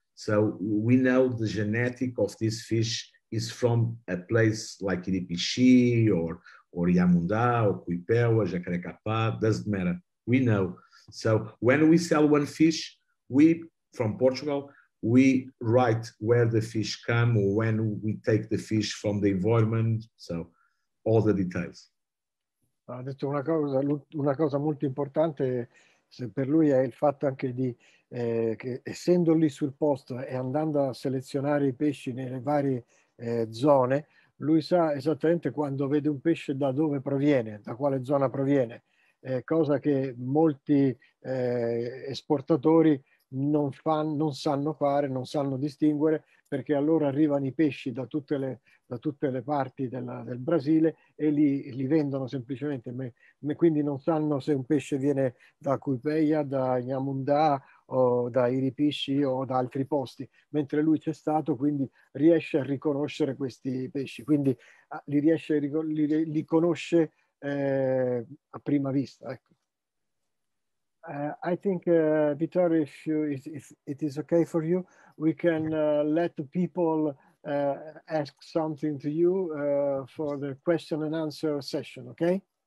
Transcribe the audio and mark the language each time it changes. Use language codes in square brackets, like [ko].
[en] So we know the genetic of this fish is from a place like Iripixi or Yamunda or Kuipewa, Jacarecapá, doesn't matter. We know. So when we sell one fish, we, from Portugal, we write where the fish come, or when we take the fish from the environment, so all the details. [it] Ha detto una cosa molto importante per lui è il fatto anche di, che essendo lì sul posto e andando a selezionare i pesci nelle varie zone, lui sa esattamente quando vede un pesce da dove proviene, da quale zona proviene, cosa che molti esportatori non sanno fare, non sanno distinguere, perché allora arrivano i pesci da tutte le parti del Brasile e li vendono semplicemente, ma quindi non sanno se un pesce viene da Kuipeia, da Nhamundá o da Iripixi o da altri posti, mentre lui c'è stato, quindi riesce a riconoscere questi pesci, quindi li conosce a prima vista, ecco. [en] I think Vittorio, if it is okay for you, we can let the people ask something to you for the question and answer session, okay?